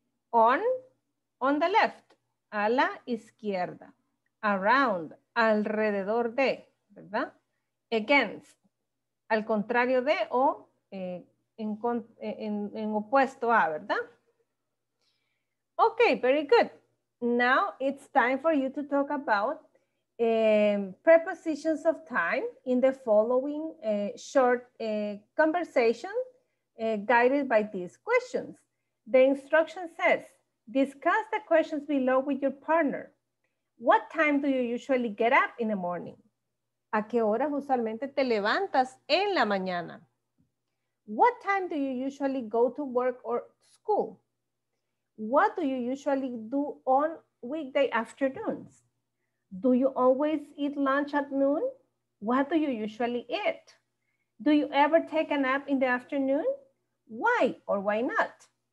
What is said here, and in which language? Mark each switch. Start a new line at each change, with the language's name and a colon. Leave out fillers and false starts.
Spanish: On,
English: on the left,
Spanish: a la izquierda, around, alrededor de, ¿verdad? Against, al contrario de o en opuesto a, ¿verdad?
English: Ok, very good. Now it's time for you to talk about prepositions of time in the following short conversation guided by these questions. The instruction says, discuss the questions below with your partner. What time do you usually get up in the morning?
Spanish: ¿A qué hora usualmente te levantas en la mañana?
English: What time do you usually go to work or school? What do you usually do on weekday afternoons? Do you always eat lunch at noon? What do you usually eat? Do you ever take a nap in the afternoon? Why or why not?